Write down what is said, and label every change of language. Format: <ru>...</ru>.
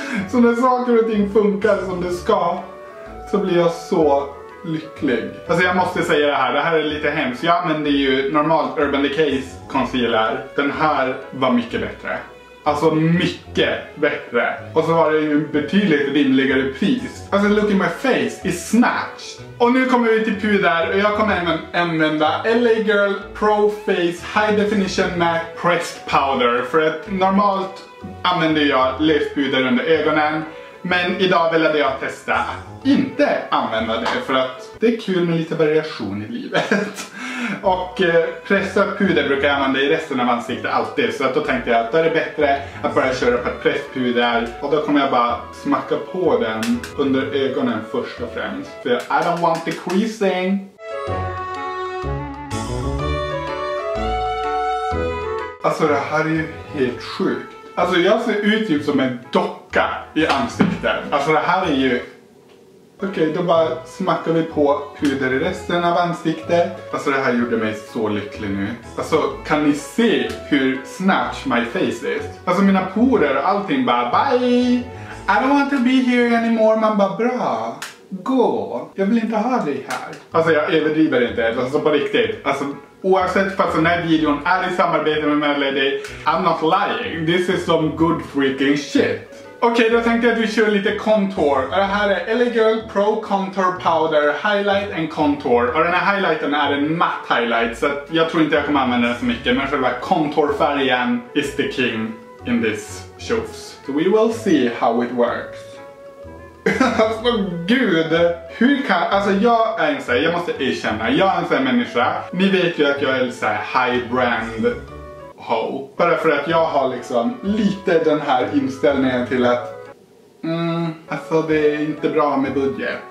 <sv>Så när saker och ting funkar som det ska, så blir jag så lycklig. Alltså jag måste säga det här, det här är lite hemskt. Jag använder ju normalt Urban Decay concealer. Den här var mycket bättre. Alltså mycket bättre. Och så var det ju en betydligt rimligare pris. Alltså</sv> <en>look in my face is snatched.</en> <sv>Och nu kommer vi till pudrar och jag kommer även använda LA Girl Pro Face High Definition Matte Pressed Powder. För att normalt använder jag lyftpuder under ögonen. Men idag ville jag testa att inte använda det, för att det är kul med lite variation i livet. Och pressat puder brukar jag använda i resten av ansiktet alltid. Så att då tänkte jag att det är bättre att bara köra på ett presspuder. Och då kommer jag bara smacka på den under ögonen först och främst. För</sv> <en>I don't want the creasing.</en> <sv>Alltså det här är ju helt sjukt. Alltså jag ser ut typ som en docka i ansiktet. Alltså det här är ju... Okej, då bara smackar vi på puder i resten av ansiktet. Alltså det här gjorde mig så lycklig nu. Alltså kan ni se hur</sv> <en>snatch my face is?</en> <sv>Alltså mina porer och allting bara</sv> <en>bye! I don't want to be here anymore.</en> <sv>Man bara bra, gå. Jag vill inte ha dig här. Alltså jag överdriver inte, alltså på riktigt. Alltså... Oavsett fast den här videon är i samarbete med Mad Lady,</sv> <en>I'm not lying. This is some good freaking shit.</en> <sv>Okej, då tänkte jag att vi kör lite contour. Det här är LA Girl Pro Contour Powder Highlight and Contour. Och den här highlighten är en matte highlight, så jag tror inte jag kommer använda den så mycket. Men själva contourfärgen</sv> <en>is the king in this shows. So we will see how it works.</en> <sv>Alltså gud, hur kan, alltså jag är en sån här, jag måste erkänna, jag är en sån här människa. Ni vet ju att jag är så här</sv> <en>high brand ho.</en> <sv>Bara för att jag har liksom lite den här inställningen till att alltså det är inte bra med budget.</sv>